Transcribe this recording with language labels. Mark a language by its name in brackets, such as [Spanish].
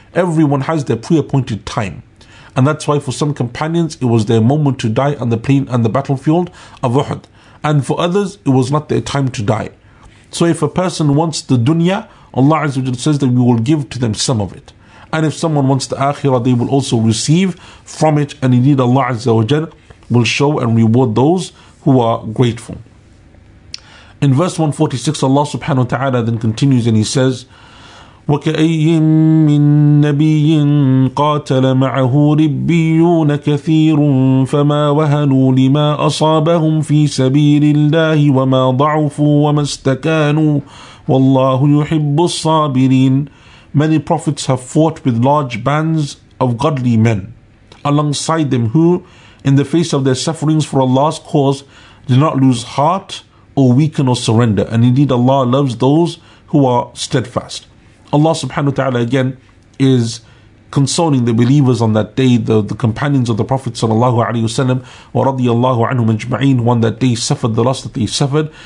[English] Everyone has their pre-appointed time. And that's why for some companions, it was their moment to die on the plane and the battlefield of Uhud. And for others, it was not their time to die. So if a person wants the dunya, Allah Azza wa Jalla says that we will give to them some of it. And if someone wants the akhirah, they will also receive from it. And indeed Allah Azza wa Jalla will show and reward those who are grateful. In verse 146, Allah subhanahu wa ta'ala then continues and he says, [Arabic] وَكَأَيِّن مِّن نَبِيٍ قَاتَلَ مَعَهُ رِبِّيُّونَ كَثِيرٌ فَمَا وَهَنُوا لِمَا أَصَابَهُمْ فِي سَبِيلِ اللَّهِ وَمَا ضَعُفُوا وَمَا اسْتَكَانُوا وَاللَّهُ يُحِبُّ الصَّابِرِينَ. [English] Many prophets have fought with large bands of godly men alongside them who, in the face of their sufferings for Allah's cause, did not lose heart or weaken or surrender. And indeed Allah loves those who are steadfast. Allah subhanahu wa ta'ala again is consoling the believers on that day, the companions of the Prophet sallallahu alayhi wa sallam, wa radiyallahu anhum ajma'een, who on that day suffered the loss that they suffered.